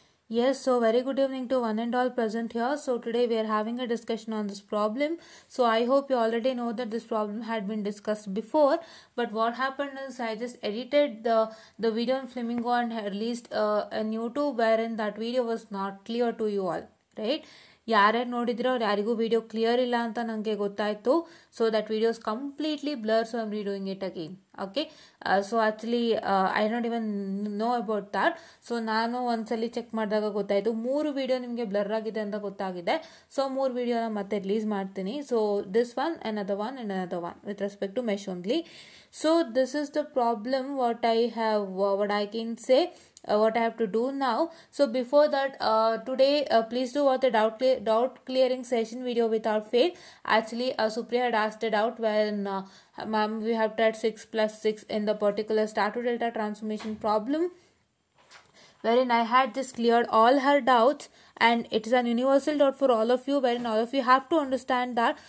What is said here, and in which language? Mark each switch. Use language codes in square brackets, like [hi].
[en] Yes, so very good evening to one and all present here. So today we are having a discussion on this problem. So I hope you already know that this problem had been discussed before. But what happened is I just edited the video on Flamingo and released on YouTube, wherein that video was not clear to you all, right? [kn] ಯಾರ್ಯಾರು ನೋಡಿದ್ರೆ ಅವ್ರು ಯಾರಿಗೂ video clear ಇಲ್ಲ ಅಂತ ನನಗೆ ಗೊತ್ತಾಯಿತು. [en] So that videos completely blur, so I'm redoing it again. Okay, so actually I not even know about that. [kn] So ನಾನು ಒಂದ್ಸಲಿ ಚೆಕ್ ಮಾಡಿದಾಗ ಗೊತ್ತಾಯಿತು, ಮೂರು ವೀಡಿಯೋ ನಿಮಗೆ ಬ್ಲರ್ ಆಗಿದೆ ಅಂತ ಗೊತ್ತಾಗಿದೆ. [en] so [kn] ಮೂರು ವೀಡಿಯೋನ ಮತ್ತೆ ರಿಲೀಸ್ ಮಾಡ್ತೀನಿ. [en] So this one, another one, and another one with respect to mesh only. So this is the problem what I have what I can say what I have to do now. So before that, today please do watch the doubt clearing session video without fail. Actually, Supriya had asked a doubt when ma'am, we have tried 6 plus 6 in the particular star to delta transformation problem, wherein I had just cleared all her doubts, and it is an universal doubt for all of you, wherein all of you have to understand that.